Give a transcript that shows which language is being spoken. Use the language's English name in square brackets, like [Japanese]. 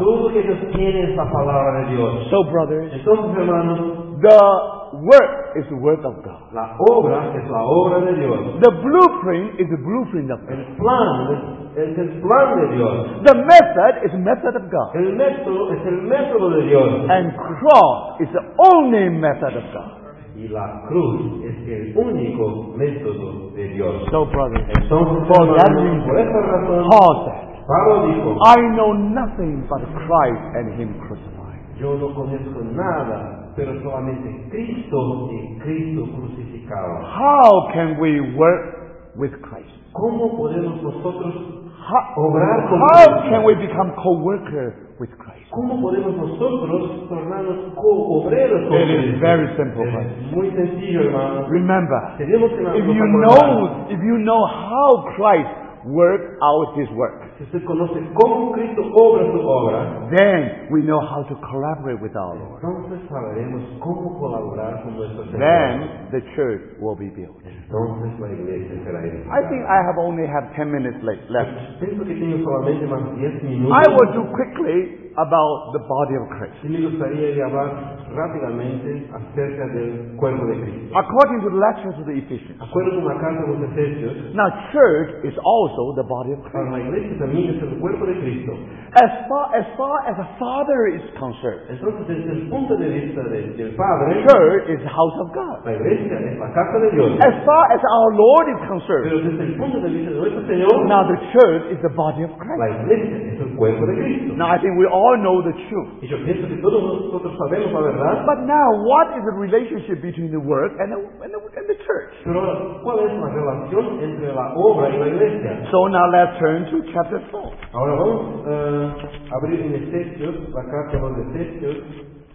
[English] So, brothers, the work is the work of God. [Spanish] La obra es la obra de Dios. [English] The blueprint is the blueprint of God. [Spanish] El plan es el plan de Dios. [English] The method is the method of God. [Spanish] El método es el método de Dios. [English] And cross is the only method of God. [Spanish] Y la cruz es el único método de Dios. [English] So, brother, for that reason, Paul said, [Spanish] Pablo dijo, [English] I know nothing but Christ and Him crucified. [Spanish] Yo no conozco nada, pero solamente Cristo y Cristo crucificado. [English] How can we work with Christ? [Spanish] ¿Cómo podemos nosotros obrar con Cristo? [English] How can we become co-workers with Christ? [Spanish] ¿Cómo podemos nosotros tornarnos co-obreros con [English] Cristo? It is very simple. [Spanish] Muy sencillo, hermano. [English] Remember, if you know how Christ work out His work, [Spanish] si usted conoce cómo Cristo obra su obra, [English] then we know how to collaborate with our Lord. [Spanish] Entonces sabremos cómo colaborar con nuestro Señor. [English] Then the church will be built. [Spanish] Entonces la iglesia será edificada. [English] I think I have only have 10 minutes left. [Spanish] Pienso que tengo solamente más 10 minutos. [English] I will do quickly about the body of Christ. [Spanish] Y me gustaría hablar rápidamente acerca del cuerpo de Cristo. [English] According to the letters of the Ephesians. [Spanish] Acuerdo con la carta de los Efesios. [English] Now church is also the body of Christ. [Spanish] La iglesia también es el cuerpo de Cristo. [English] As far as the Father is concerned. [Spanish] Entonces desde el punto de vista del Padre. [English] Church is the house of God. [Spanish] La iglesia es la casa de Dios. [English] As far as our Lord is concerned. [Spanish] Pero desde el punto de vista de nuestro Señor. [English] Now the church is the body of Christ. [Spanish] La iglesia es el cuerpo de Cristo. [English] Now I think we all know the truth. [Spanish] Y yo pienso que todos nosotros sabemos la verdad. [English] But now, what is the relationship between the work and the church? [Spanish] Pero ¿cuál es la relación entre la obra y la iglesia? [English] So now let's turn to chapter 4. [Spanish] Ahora vamos a abrir en Efesios, la carta de los Efesios.